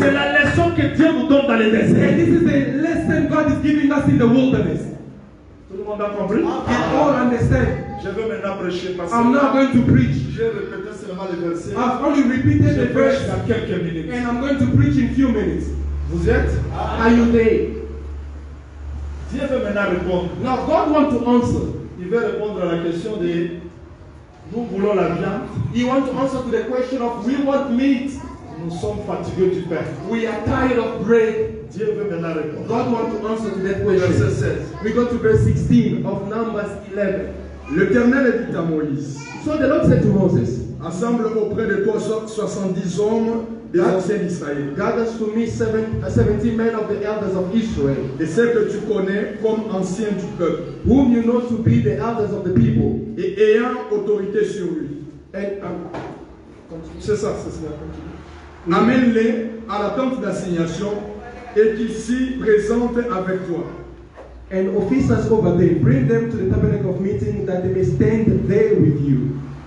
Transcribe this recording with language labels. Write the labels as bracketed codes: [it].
[fr] C'est la leçon que Dieu nous donne dans les déserts. [en] And this is the lesson God is giving us in the wilderness. [fr] Tout le monde a compris? [en] Can all understand? [fr] Je veux maintenant prêcher parce [en] I'm not going to preach. [fr] J'ai répété seulement le verset. [en] I've only repeated [fr] je [en] the verse. [fr] Dans quelques minutes. [en] And I'm going to preach in few minutes. [fr] Vous êtes? [en] Ah. Are you there? [fr] Dieu veut maintenant répondre. [en] Now God wants to answer. [fr] Il veut répondre à la question de nous voulons la viande. [en] He wants to answer to the question of we want meat. [fr] Nous sommes fatigués du pain. [en] We are tired of bread. [fr] Dieu veut maintenant répondre. [en] God wants to answer to that question. [fr] Verset 16. [en] We go to verse 16 of Numbers 11. [fr] L'Éternel dit à Moïse. [en] So the Lord said to Moses, [fr] assemble auprès de toi 70 hommes des anciens d'Israël. [en] Gather to me 70 men of the elders of Israel. [fr] Et ceux que tu connais comme anciens du peuple. [en] Whom you know to be the elders of the people. [fr] Et ayant autorité sur lui. [en] And, [fr] c'est ça. Oui. Amène-les à la tente d'assignation et qu'ils s'y présentent avec toi. [en] And officers over there, bring them to the tabernacle of meeting that they may stand there with you.